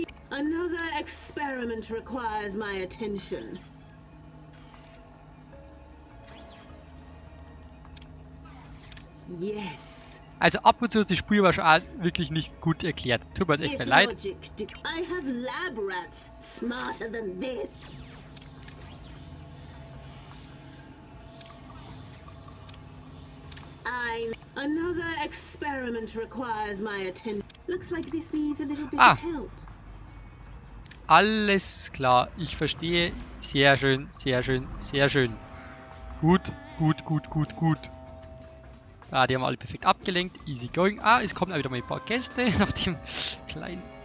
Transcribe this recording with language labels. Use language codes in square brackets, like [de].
[en] Another experiment requires my attention. Yes. [de] Also ab und zu ist die Spur aber schon wirklich nicht gut erklärt. Tut mir echt mal leid. [en] I have lab rats smarter than this. Another experiment requires my attention. Looks like this needs a little bit of help. [de] Alles klar, ich verstehe. Sehr schön, sehr schön, sehr schön. Gut, gut, gut, gut, gut. Ah, die haben alle perfekt abgelenkt. [en] Easy going. [de] Ah, es kommen auch wieder mal ein paar Gäste auf dem kleinen.